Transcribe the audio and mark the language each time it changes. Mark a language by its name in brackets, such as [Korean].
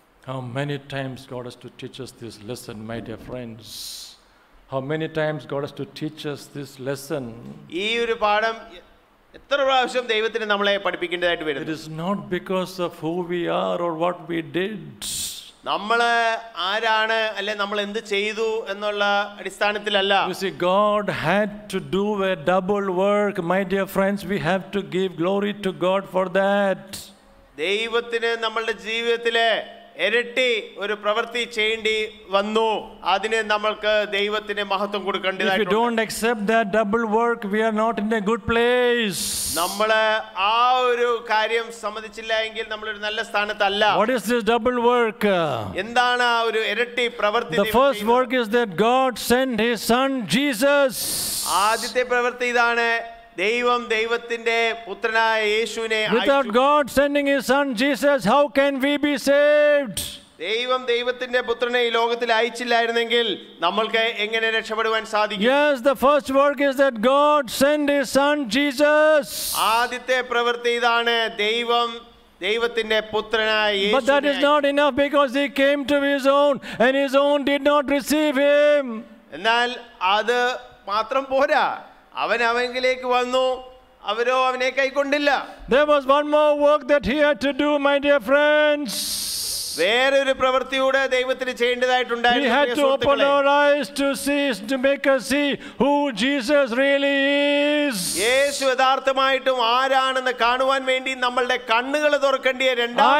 [English] How many times God has to teach us this lesson, my dear friends? How many times God has to teach us this lesson? [Malayalam] ഈ ഒരു പാഠം എത്ര പ്രാവശ്യം ദൈവത്തിന് നമ്മളെ പഠിപ്പിക്കേണ്ടതായിട്ട് വരുന്നു? [English] It is not because of who we are or what we did. [Malayalam] നമ്മൾ ആരാണ് അല്ലെ, നമ്മൾ എന്ത് ചെയ്തു എന്നുള്ള അടിസ്ഥാനത്തിലല്ല. [English] You see, God had to do a double work, my dear friends. We have to give glory to God for that. [Malayalam] ദൈവത്തിന് നമ്മുടെ ജീവിതത്തിലെ ഇരട്ടി ഒരു പ്രവൃത്തി ചെയ്യേണ്ടി വന്നു. അതിന് നമ്മൾക്ക് ദൈവത്തിന് മഹത്വം കൊടുക്കേണ്ടതായിട്ട്. [English] If we don't accept that double work, we are not in a good place. [Malayalam] നമ്മൾ ആ ഒരു കാര്യം സമ്മതിച്ചില്ലെങ്കിൽ നമ്മൾ ഒരു നല്ല സ്ഥാനത്തല്ല. [English] What is this double work? [Malayalam] എന്താണ് ആ ഒരു ഇരട്ടി പ്രവൃത്തി? [English] The first work is that God sent his son Jesus. [Malayalam] ആദ്യത്തെ പ്രവൃത്തി ഇതാണ്, ദൈവം ദൈവത്തിന്റെ പുത്രനായ യേശുവിനെ. [English] Without God sending his son Jesus, how can we be saved? [Malayalam] ദൈവം ദൈവത്തിന്റെ പുത്രനെ ഈ ലോകത്തിൽ അയച്ചില്ലായിരുന്നെങ്കിൽ നമ്മൾക്ക് എങ്ങനെ രക്ഷപ്പെടുവാൻ സാധിക്കും? [English] Yes, the first work is that God sent his son Jesus. [Malayalam] ആദ്യത്തെ പ്രവൃത്തി ഇതാണ്, ദൈവം ദൈവത്തിന്റെ പുത്രനായ യേശു. [English] But that is not enough because he came to his own and his own did not receive him. [Malayalam] എന്നാൽ അത് മാത്രം പോരാ, അവൻ അവങ്കിലേക്ക് വന്നു, അവരോ അവനെ കൈക്കൊണ്ടില്ല. [English] There was one more work that he had to do, my dear friends. [Malayalam] വേറൊരു പ്രവൃത്തിയോടെ ദൈവത്തിന് ചെയ്യേണ്ടതായിട്ടുണ്ടായിരുന്നു. [English] He had to open our eyes to see, to make us see who Jesus really is. [Malayalam] യേശു യഥാർത്ഥമായിട്ടും ആരാണെന്ന് കാണുവാൻ വേണ്ടി നമ്മളുടെ കണ്ണുകൾ തുറക്കേണ്ടിയ രണ്ടാമത്തെ